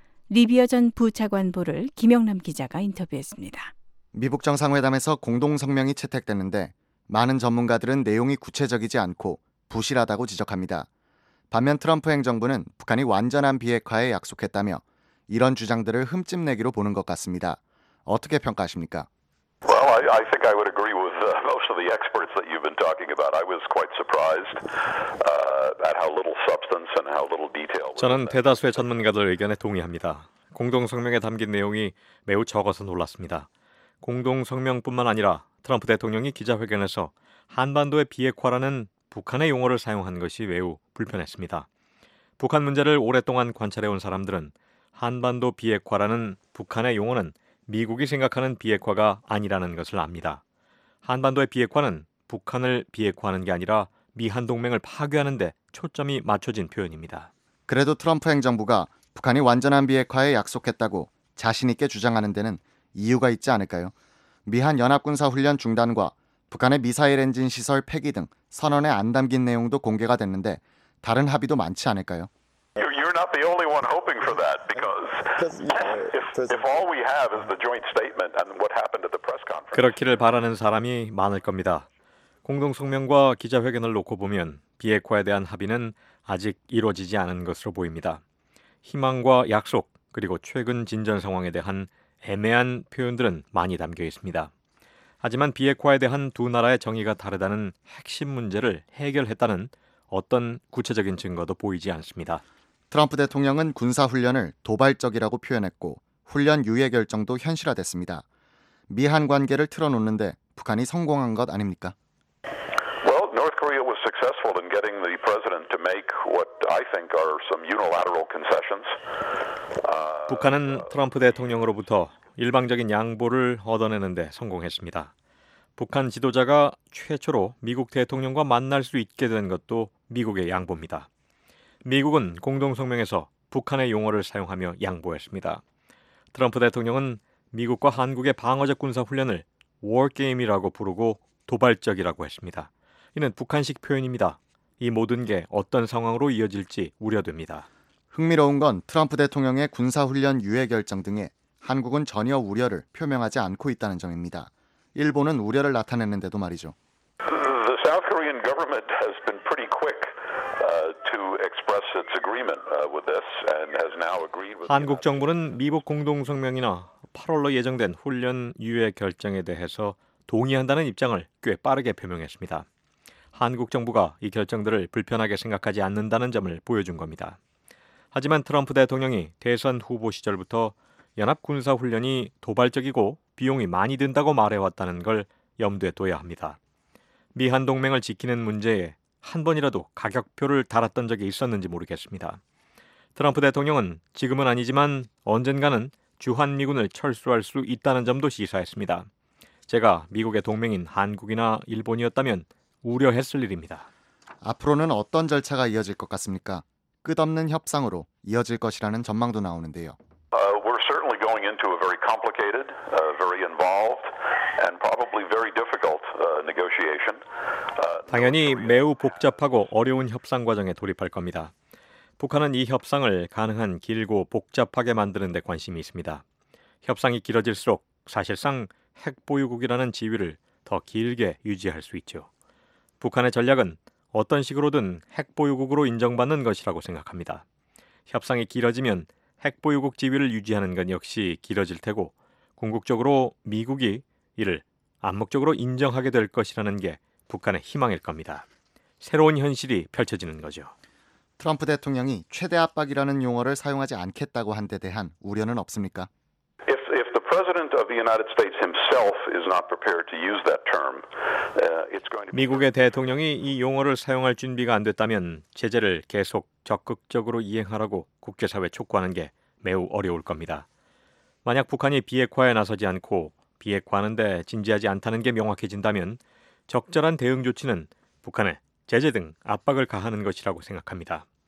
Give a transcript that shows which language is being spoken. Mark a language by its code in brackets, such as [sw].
[ko] 리비어 전 부차관보를 김영남 기자가 인터뷰했습니다. 미국 정상회담에서 공동성명이 채택됐는데 많은 전문가들은 내용이 구체적이지 않고 부실하다고 지적합니다. 반면 트럼프 행정부는 북한이 완전한 비핵화에 약속했다며 이런 주장들을 흠집내기로 보는 것 같습니다. 어떻게 평가하십니까? [en] Well, I think I would agree with most of the experts that you've been talking about. I was quite surprised at how little substance and how little detail. [ko] 저는 대다수의 전문가들 의견에 동의합니다. 공동성명에 담긴 내용이 매우 적어서 놀랐습니다. 공동성명뿐만 아니라 트럼프 대통령이 기자회견에서 한반도의 비핵화라는 북한의 용어를 사용한 것이 매우 불편했습니다. 북한 문제를 오랫동안 관찰해온 사람들은 한반도 비핵화라는 북한의 용어는 미국이 생각하는 비핵화가 아니라는 것을 압니다. 한반도의 비핵화는 북한을 비핵화하는 게 아니라 미한 동맹을 파괴하는 데 초점이 맞춰진 표현입니다. 그래도 트럼프 행정부가 북한이 완전한 비핵화에 약속했다고 자신 있게 주장하는 데는 이유가 있지 않을까요? 미한 연합군사 훈련 중단과 북한의 미사일 엔진 시설 폐기 등 선언에 안 담긴 내용도 공개가 됐는데 다른 합의도 많지 않을까요? [en] You're not the only one hoping for that because if all we have is the joint statement and what happened at the press conference. [ko] 그렇기를 바라는 사람이 많을 겁니다. 공동성명과 기자회견을 놓고 보면 비핵화에 대한 합의는 아직 이루어지지 않은 것으로 보입니다. 희망과 약속 그리고 최근 진전 상황에 대한 애매한 표현들은 많이 담겨 있습니다. 하지만 비핵화에 대한 두 나라의 정의가 다르다는 핵심 문제를 해결했다는 어떤 구체적인 증거도 보이지 않습니다. 트럼프 대통령은 군사훈련을 도발적이라고 표현했고 훈련 유예 결정도 현실화됐습니다. 미한 관계를 틀어놓는데 북한이 성공한 것 아닙니까? [en] Well, North Korea was successful in getting the president to make what I think are some unilateral concessions. [ko] 북한은 트럼프 대통령으로부터 일방적인 양보를 얻어내는데 성공했습니다. 북한 지도자가 최초로 미국 대통령과 만날 수 있게 된 것도 미국의 양보입니다. 미국은 공동성명에서 북한의 용어를 사용하며 양보했습니다. 트럼프 대통령은 미국과 한국의 방어적 군사 훈련을 워게임이라고 부르고 도발적이라고 했습니다. 이는 북한식 표현입니다. 이 모든 게 어떤 상황으로 이어질지 우려됩니다. 흥미로운 건 트럼프 대통령의 군사훈련 유예 결정 등에 한국은 전혀 우려를 표명하지 않고 있다는 점입니다. 일본은 우려를 나타냈는데도 말이죠. [en] The South Korean government has been pretty quick to express its agreement with this and has now agreed with [ko] 한국 정부는 미국 공동성명이나 8월로 예정된 훈련 유예 결정에 대해서 동의한다는 입장을 꽤 빠르게 표명했습니다. 한국 정부가 이 결정들을 불편하게 생각하지 않는다는 점을 보여준 겁니다. 하지만 트럼프 대통령이 대선 후보 시절부터 연합군사훈련이 도발적이고 비용이 많이 든다고 말해왔다는 걸 염두에 둬야 합니다. 미한동맹을 지키는 문제에 한 번이라도 가격표를 달았던 적이 있었는지 모르겠습니다. 트럼프 대통령은 지금은 아니지만 언젠가는 주한미군을 철수할 수 있다는 점도 시사했습니다. 제가 미국의 동맹인 한국이나 일본이었다면 우려했을 일입니다. 앞으로는 어떤 절차가 이어질 것 같습니까? 끝없는 협상으로 이어질 것이라는 전망도 나오는데요. [en] We're certainly going into a very complicated, very involved, and probably very difficult negotiation. [ko] 당연히 매우 복잡하고 어려운 협상 과정에 돌입할 겁니다. 북한은 이 협상을 가능한 길고 복잡하게 만드는 데 관심이 있습니다. 협상이 길어질수록 사실상 핵 보유국이라는 지위를 더 길게 유지할 수 있죠. 북한의 전략은 어떤 식으로든 핵 보유국으로 인정받는 것이라고 생각합니다. 협상이 길어지면 핵 보유국 지위를 유지하는 건 역시 길어질 테고 궁극적으로 미국이 이를 암묵적으로 인정하게 될 것이라는 게 북한의 희망일 겁니다. 새로운 현실이 펼쳐지는 거죠. 트럼프 대통령이 최대 압박이라는 용어를 사용하지 않겠다고 한 데 대한 우려는 없습니까? [en] If the president of the United States himself is not prepared to use that term, it's going to be [ko] 미국의 대통령이 이 용어를 사용할 준비가 안 됐다면 제재를 계속 적극적으로 이행하라고 국제사회 촉구하는 게 매우 어려울 겁니다. 만약 북한이 비핵화에 나서지 않고 비핵화하는 데 진지하지 않다는 게 명확해진다면 적절한 대응 조치는 북한의 제재 등 압박을 가하는 것이라고 생각합니다.